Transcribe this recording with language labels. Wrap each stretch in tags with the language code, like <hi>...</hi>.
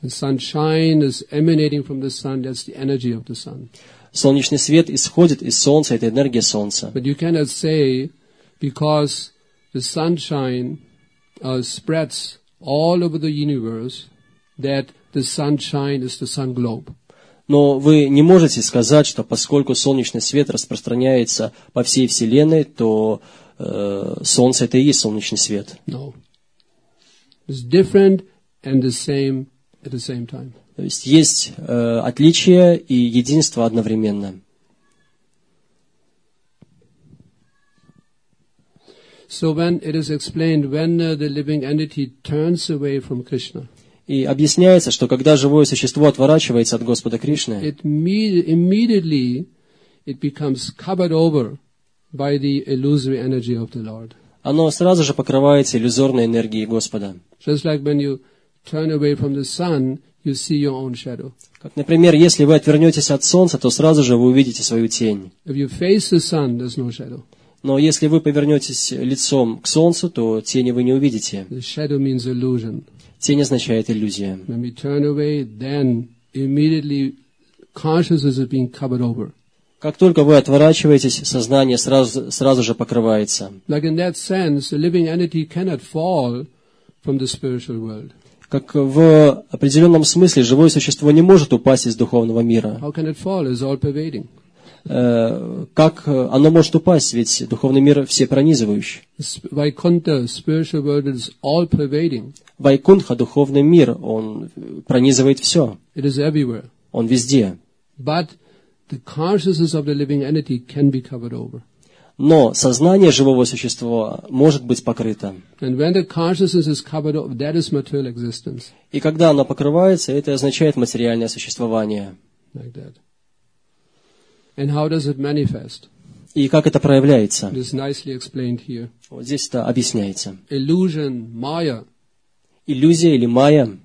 <en>The sunshine is emanating from the sun, that's the energy of the sun.</en> <ru>Солнечный свет исходит из солнца, это энергия солнца.</ru> <en>But you cannot say, because the sunshine spreads all over the universe, that the sunshine is the sun globe.</en> <ru>Но вы не можете сказать, что поскольку солнечный свет распространяется по всей Вселенной, то солнце – это и есть солнечный свет.</ru> <en>No. It's different and the same at the same time.</en> <ru>То есть есть отличие и единство одновременно.</ru> <en>So when it is explained when the living entity turns away from Krishna.</en> <ru>И объясняется, что когда живое существо отворачивается от Господа Кришны,</ru> <en>immediately it becomes covered over by the illusory energy of the Lord.</en> <ru>Оно сразу же покрывается иллюзорной энергией Господа.</ru> <en>Just like when you turn away from the sun, you see your own shadow.</en> <ru>Как, например, если вы отвернетесь от солнца, то сразу же вы увидите свою тень.</ru> <en>If you face the sun, there's no shadow.</en> <ru>Но если вы повернетесь лицом к солнцу, то тени вы не увидите.</ru> <en>The shadow means illusion.</en> <ru>Тень означает иллюзия.</ru> <en>When we turn away, then immediately consciousness is being covered over.</en> <ru>Как только вы отворачиваетесь, сознание сразу же покрывается.</ru> <en>Like in that sense, a living entity cannot fall from the spiritual world.</en> <ru>Как в определенном смысле живое существо не может упасть из духовного мира.</ru> <en>How can it fall? It's all pervading.</en> <ru>Как оно может упасть, ведь духовный мир всепронизывающий.</ru> <en>Vaikuntha, spiritual world is all pervading.</en> <ru>Вайкунха, духовный мир, он пронизывает все.</ru> <en>It is everywhere.</en> <ru>Он везде.</ru> <en>But the consciousness of the living entity can be covered over.</en> <ru>Но сознание живого существа может быть покрыто.</ru> <en>And when the consciousness is covered over, that is material existence.</en> <ru>И когда оно покрывается, это означает материальное существование.</ru> <en>Like that. And how does it manifest?</en> <ru>И как это проявляется?</ru> <en>It is nicely explained here.</en> <ru>Вот здесь это объясняется.</ru> <en>Illusion, Maya.</en> <ru>Иллюзия или Maya.</ru>